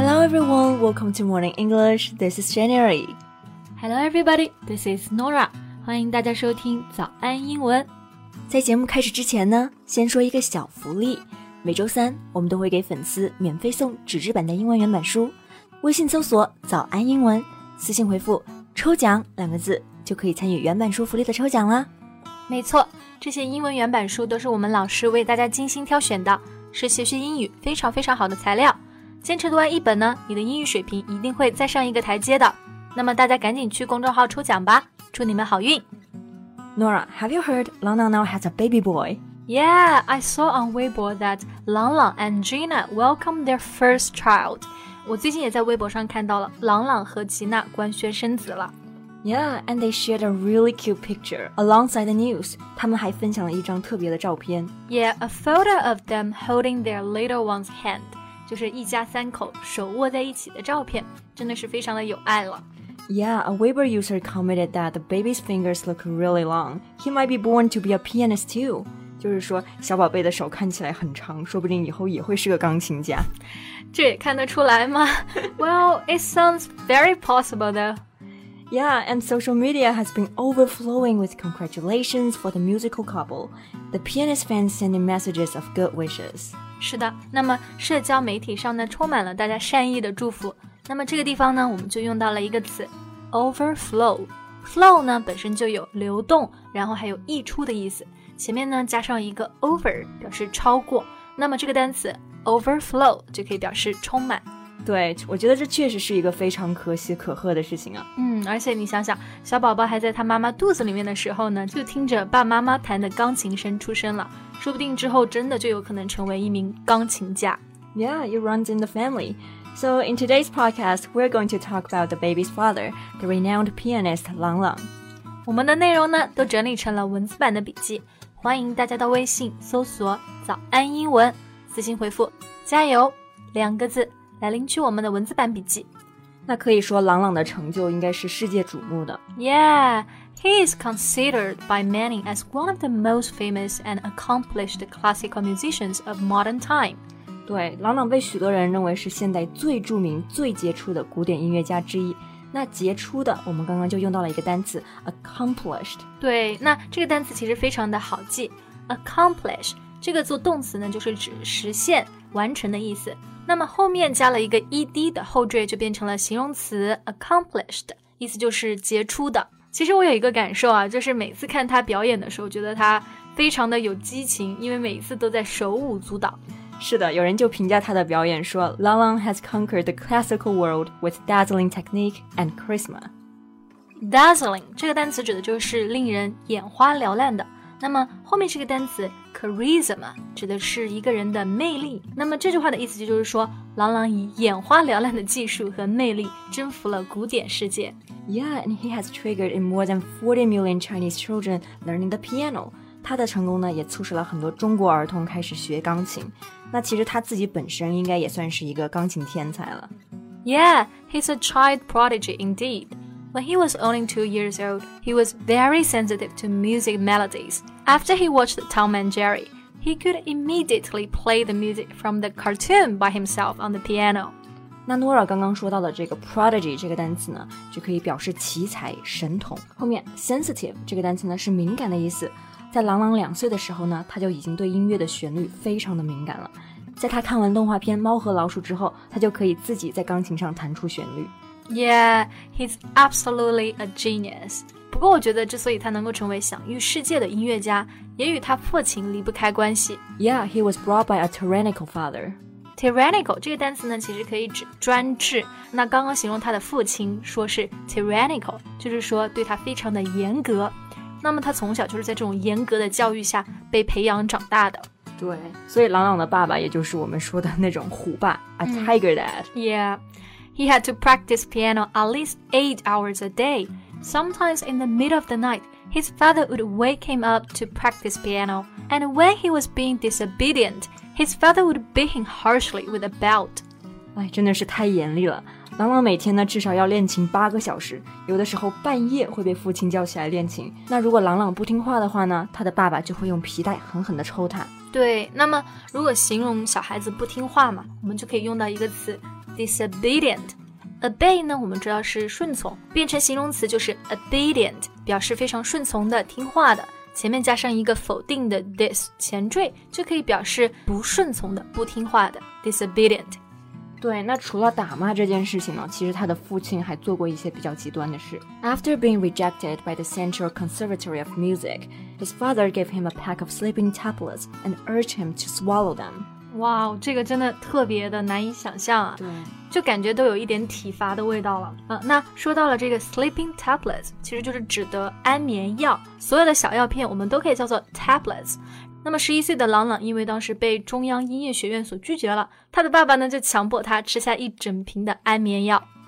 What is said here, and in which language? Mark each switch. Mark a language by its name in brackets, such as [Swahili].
[English] everyone, welcome to Morning English, this is January. Hello everybody, this is Nora, [Chinese] 欢迎大家收听早安英文。在节目开始之前呢，先说一个小福利，每周三我们都会给粉丝免费送纸质版的英文原版书，微信搜索早安英文，私信回复抽奖两个字，就可以参与原版书福利的抽奖了。没错，这些英文原版书都是我们老师为大家精心挑选的，是学习英语非常非常好的材料。坚持读完一本呢，你的英语水平一定会再上一个台阶的。那么大家赶紧去公众号抽奖吧，祝你们好运。 [English] Nora, have you heard Lang Lang now has a baby boy? Yeah, I saw on Weibo that Lang Lang and Gina welcomed their first child. [Chinese] 我最近也在微博上看到了朗朗和吉娜官宣生子了。 [English] Yeah, and they shared a really cute picture alongside the news. [Chinese] 他们还分享了一张特别的照片。 [English] Yeah, a photo of them holding their little one's hand. [Chinese] 就是一家三口手握在一起的照片，真的是非常的有爱了。 [English] Yeah, a Weibo user commented that the baby's fingers look really long. He might be born to be a pianist too. [Chinese] 就是说小宝贝的手看起来很长，说不定以后也会是个钢琴家。这也看得出来吗？ [English] Well, it sounds very possible though. Yeah, and social media has been overflowing with congratulations for the musical couple. The pianist fans sending messages of good wishes. [Chinese] 是的，那么社交媒体上呢充满了大家善意的祝福。那么这个地方呢我们就用到了一个词 overflow. Flow 呢本身就有流动，然后还有溢出的意思。前面呢加上一个 over 表示超过，那么这个单词 overflow 就可以表示充满。对，我觉得这确实是一个非常可喜可贺的事情啊。嗯，而且你想想，小宝宝还在他妈妈肚子里面的时候呢，就听着爸妈妈弹的钢琴声出生了，说不定之后真的就有可能成为一名钢琴家。 [English] Yeah, it runs in the family. So in today's podcast, we're going to talk about the baby's father, the renowned pianist Lang Lang. [Chinese] 我们的内容呢都整理成了文字版的笔记，欢迎大家到微信搜索早安英文，私信回复加油两个字来领取我们的文字版笔记。那可以说朗朗的成就应该是世界瞩目的。 [English] Yeah, he is considered by many as one of the most famous and accomplished classical musicians of modern time. [Chinese] 对，朗朗被许多人认为是现代最著名最杰出的古典音乐家之一。那杰出的我们刚刚就用到了一个单词 accomplished。对，那这个单词其实非常的好记， accomplish 这个做动词呢就是指实现完成的意思，那么后面加了一个 ed 的后缀就变成了形容词 accomplished， 意思就是杰出的。其实我有一个感受啊，就是每次看他表演的时候觉得他非常的有激情，因为每一次都在手舞足蹈。是的，有人就评价他的表演说 [English] Lang Lang has conquered the classical world with dazzling technique and charisma. [Chinese] Dazzling 这个单词指的就是令人眼花缭乱的，那么后面这个单词charisma 指的是一个人的魅力，那么这句话的意思就是说朗朗以眼花缭乱的技术和魅力征服了古典世界。 [English] Yeah, and he has triggered in more than 40 million Chinese children learning the piano. [Chinese] 他的成功呢也促使了很多中国儿童开始学钢琴，那其实他自己本身应该也算是一个钢琴天才了。 [English] Yeah, he's a child prodigy indeed. When he was only 2 years old, he was very sensitive to music melodiesAfter he watched Tom and Jerry, he could immediately play the music from the cartoon by himself on the piano. [Chinese] 那 Nora 刚刚说到的这个 prodigy 这个单词呢，就可以表示奇才、神童。后面 sensitive 这个单词呢是敏感的意思。在朗朗两岁的时候呢，他就已经对音乐的旋律非常的敏感了。在他看完动画片《猫和老鼠》之后，他就可以自己在钢琴上弹出旋律。 [English] Yeah, he's absolutely a genius. [Chinese] 不过我觉得之所以他能够成为享誉世界的音乐家，也与他父亲离不开关系。 [English] Yeah, he was brought by a tyrannical father. [Chinese] Tyrannical 这个单词呢其实可以指专制，那刚刚形容他的父亲说是 tyrannical， 就是说对他非常的严格，那么他从小就是在这种严格的教育下被培养长大的。对，所以朗朗的爸爸也就是我们说的那种虎爸、 [English] a tiger dad. Yeah, he had to practice piano at least 8 hours a daySometimes in the middle of the night, his father would wake him up to practice piano. And when he was being disobedient, his father would beat him harshly with a belt. [Chinese] 哎，真的是太严厉了。朗朗每天呢至少要练琴8个小时，有的时候半夜会被父亲叫起来练琴。那如果朗朗不听话的话呢，他的爸爸就会用皮带狠狠地抽他。对，那么如果形容小孩子不听话嘛，我们就可以用到一个词 [English] disobedient. [Chinese] Obey 呢，我们知道是顺从，变成形容词就是 obedient， 表示非常顺从的、听话的。前面加上一个否定的 dis 前缀，就可以表示不顺从的、不听话的 disobedient。对，那除了打骂这件事情呢，其实他的父亲还做过一些比较极端的事。 [English] After being rejected by the Central Conservatory of Music, his father gave him a pack of sleeping tablets and urged him to swallow them. [Chinese] 哇，这个真的特别的难以想象啊。对。就感觉都有一点体罚的味道了。那说到了这个 sleeping tablets, 其实就是指的安眠药。所有的小药片我们都可以叫做 tablets。那么11岁的朗朗因为当时被中央音乐学院所拒绝了，他的爸爸呢就强迫他吃下一整瓶的安眠药。